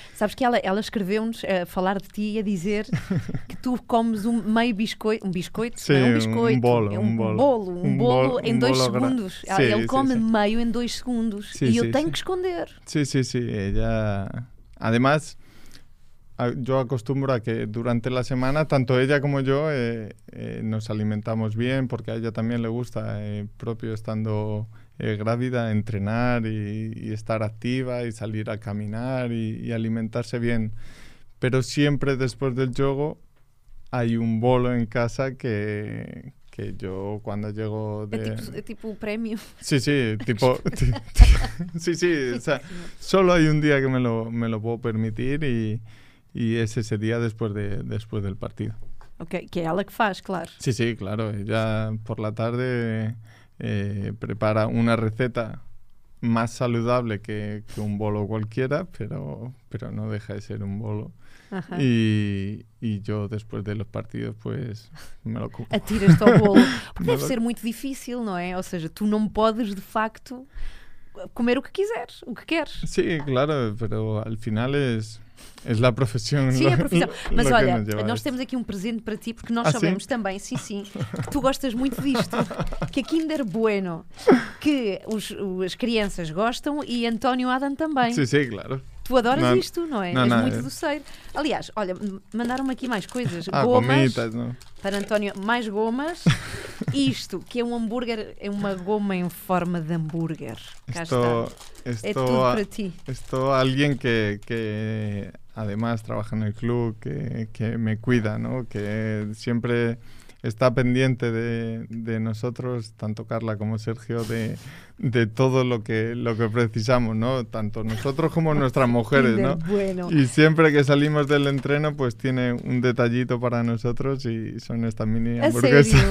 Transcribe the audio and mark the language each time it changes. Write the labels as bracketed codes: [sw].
[pt] Sabes que ela escreveu-nos a falar de ti e a dizer que tu comes um meio biscoito, um biscoito? Sim, não é um biscoito, um bolo em dois segundos. Sim, ele come meio em dois segundos e eu tenho que esconder. Sim, sim, sim. [es] Ela, además, yo acostumbro a que durante la semana tanto ella como yo nos alimentamos bien, porque a ella también le gusta, propio estando grávida, entrenar y estar activa y salir a caminar y alimentarse bien. Pero siempre después del yoga hay un bolo en casa que yo cuando llego de... Es tipo premio. Sí, sí, tipo... sí, o sea, solo hay un día que me lo puedo permitir y es ese día después del partido. [pt] Ok, que ella que faz, claro. [es] Sí, sí, claro. Ella por la tarde prepara una receta más saludable que un bolo cualquiera, pero no deja de ser un bolo. Ajá. Y yo después de los partidos, pues, me lo como. [pt] Atiras-te ao bolo. Porque deve ser muito difícil, não é? Ou seja, tu não podes, de facto, comer o que quiseres, o que queres. [es] Sim, sí, claro, pero al final [pt] é a profissão. Sim, é a profissão. Mas olha, nós temos aqui um presente para ti, porque nós sabemos também, sim, sim, que tu gostas muito disto. Que a Kinder Bueno, que as crianças gostam e António Adam também. Sim, sí, sim, sí, claro. Tu adoras não, isto, não é? És muito doceiro. Aliás, olha, mandaram-me aqui mais coisas. Ah, gomas. Gomitas, não? Para António, mais gomas. Isto, que é um hambúrguer, é uma goma em forma de hambúrguer. Estou é tudo para ti. Estou alguém que [es] además, [pt] trabalha no clube, que me cuida, não? [es] Que sempre está pendiente de nosotros, tanto Carla como Sergio, de todo lo que precisamos, ¿no? Tanto nosotros como nuestras mujeres, ¿no? Bueno. Y siempre que salimos del entreno, pues tiene un detallito para nosotros y son estas mini hamburguesas.